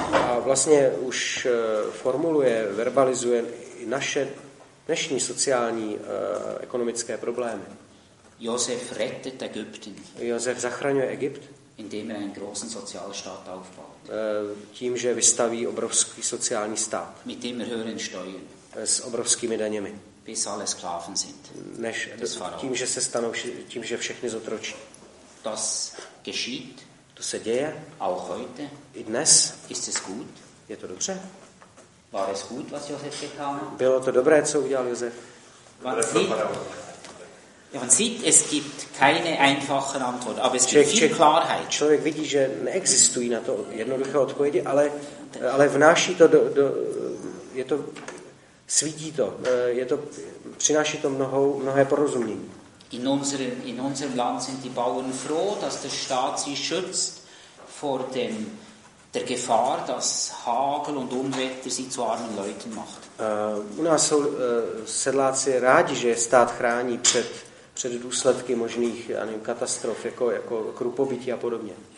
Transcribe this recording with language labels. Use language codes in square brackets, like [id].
[cs] A vlastně už formuluje, verbalizuje i naše dnešní sociální ekonomické problémy. [de] Josef rettet Ägypten. [cs] Josef zachraňuje Egypt. [de] indem er einen großen Sozialstaat aufbaut. [cs] Tím, že vystaví obrovský sociální stát. [de] Mit dem er höheren Steuern. [cs] S obrovskými daněmi. [de] Bis alle Sklaven sind. [cs] Než tím, že se stanou, tím, že všechny zotročí. [de] Das geschieht. [cs] To se děje. [de] Auch heute. [cs] I dnes. [de] Ist es gut? [cs] Je to dobře? [de] War es gut, was Josef getan? [cs] Bylo to dobré, co udělal Josef? [de] Man sieht, es gibt keine einfache Antwort, aber es gibt viel Klarheit. [cs] Člověk vidí, že neexistují na to jednoduché odpovědi, ale vnáší to do je to svítí to, je to přináší to mnohé porozumění. [de] In unserem Land sind die Bauern froh, dass der Staat sie schützt vor dem der Gefahr, dass Hagel und Unwetter sie zu armen Leuten macht. [cs] U nás jsou sedláci rádi, že stát chrání před důsledky možných katastrof, jako krupobytí a podobně.